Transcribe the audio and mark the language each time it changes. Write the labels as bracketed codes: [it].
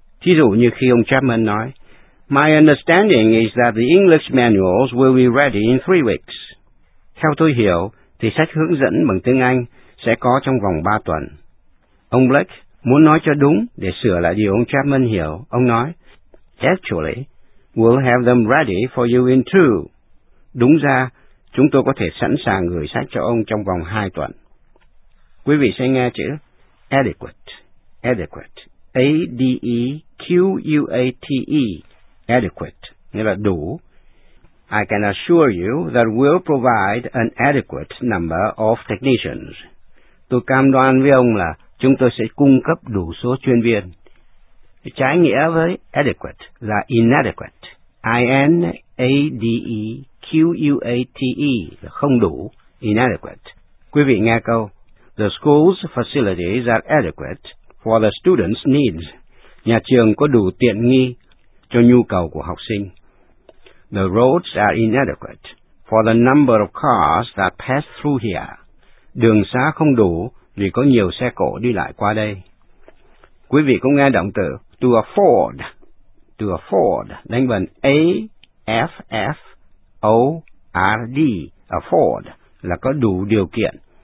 [vi] Thí dụ như khi ông Chapman nói, [en] My understanding is that the English manuals will be ready in 3 weeks. [vi] Theo tôi hiểu, thì sách hướng dẫn bằng tiếng Anh sẽ có trong vòng 3 tuần. Ông Blake muốn nói cho đúng để sửa lại điều ông Chapman hiểu. Ông nói, [en] Actually, we'll have them ready for you in 2. [vi] Đúng ra, chúng tôi có thể sẵn sàng gửi sách cho ông trong vòng 2 tuần. Quý vị sẽ nghe chữ adequate, adequate, A-D-E-Q-U-A-T-E, adequate, nghĩa là đủ. [en] I can assure you that we'll provide an adequate number of technicians. [vi] Tôi cam đoan với ông là chúng tôi sẽ cung cấp đủ số chuyên viên. Trái nghĩa với adequate là inadequate, I-N-A-D-E-Q-U-A-T-E, là không đủ, inadequate. Quý vị nghe câu. [en] The school's facilities are adequate for the students' needs. [vi] Nhà trường có đủ tiện nghi cho nhu cầu của học sinh. [en] The roads are inadequate for the number of cars that pass through here. [vi] Đường xá không đủ vì có nhiều xe cộ đi lại qua đây. Quý vị cũng nghe động từ to afford. To afford, đánh vần A-F-F-O-R-D, afford, là có đủ điều kiện.